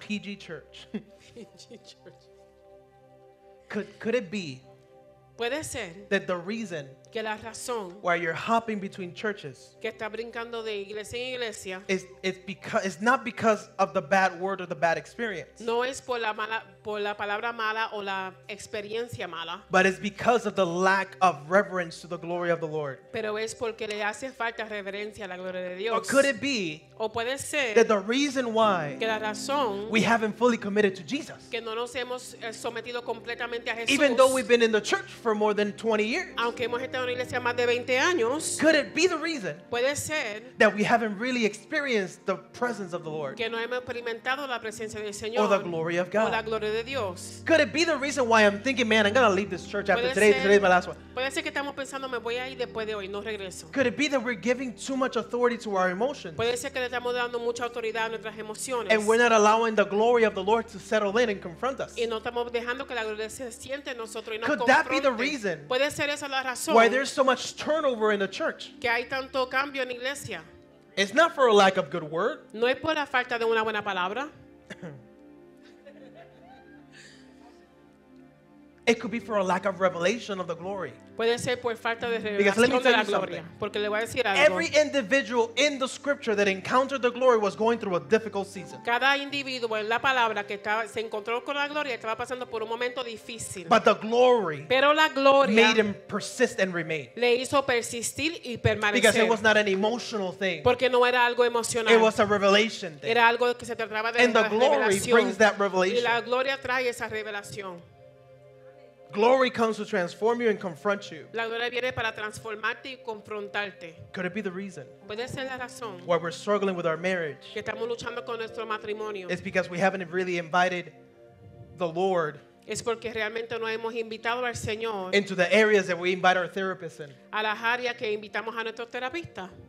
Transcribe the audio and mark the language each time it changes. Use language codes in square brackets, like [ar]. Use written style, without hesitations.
[en] PG Church. PG Church. Could it be, [es] puede ser, [en] that the reason [es] que la razón [en] why you're hopping between churches [es] que está brincando de iglesia en iglesia [en] is not because of the bad word or the bad experience. [es] No es por la palabra mala o la experiencia mala. [en] But it's because of the lack of reverence to the glory of the Lord. [es] Pero es porque le hace falta reverencia a la gloria de Dios. [en] Or could it be, [es] o puede ser, [en] that the reason why [es] que la razón [en] we haven't fully committed to Jesus, [es] que no nos hemos sometido completamente a Jesús, [en] even though we've been in the church for more than 20 years, [es] aunque hemos estado en la iglesia más de 20 años, [en] could it be the reason, [es] puede ser, [en] that we haven't really experienced the presence of the Lord, [es] que no hemos experimentado la presencia del Señor, [en] or the glory of God, [es] o la gloria de Dios? [en] Could it be the reason why I'm thinking, "Man, I'm gonna leave this church after today. Today's my last one"? [es] Puede ser que estamos pensando, me voy a ir después de hoy, no regreso. [en] Could it be that we're giving too much authority to our emotions? [es] Puede ser que le estamos dando mucha autoridad a nuestras emociones. [en] And we're not allowing the glory of the Lord to settle in and confront us. [es] Y no estamos dejando que la gloria se siente en nosotros y nos [en] Could [es] confronte. [en] That be the reason? [es] Puede ser esa la razón. [en] Why there's so much turnover in the church? [es] Que hay tanto cambio en la iglesia. [en] It's not for a lack of good word. [es] No es por la falta de una buena palabra. [en] It could be for a lack of revelation of the glory. [es] Puede ser por falta de revelación de la gloria. Porque le voy a decir algo. [en] Every individual in the scripture that encountered the glory was going through a difficult season. [es] Cada individuo en la palabra que estaba, se encontró con la gloria estaba pasando por un momento difícil. [en] But the glory, [es] pero la gloria, [en] made him persist and remain. [es] Le hizo persistir y permanecer. [en] Because it was not an emotional thing. [es] Porque no era algo emocional. [en] It was a revelation thing. [es] Era algo que se trataba de [en] and [es] la [en] the glory [es] revelación. [en] Brings that revelation. [es] Y la gloria trae esa revelación. [en] Glory comes to transform you and confront you. [es] La gloria viene para transformarte y confrontarte. [en] Could it be the reason? [es] Puede ser la razón. [en] Why we're struggling with our marriage. [es] Que estamos luchando con nuestro matrimonio. [en] It's because we haven't really invited the Lord. [es] Es porque realmente no hemos invitado al Señor. [en] Into the areas that we invite our therapists in. [es] A las áreas que invitamos a nuestros terapistas.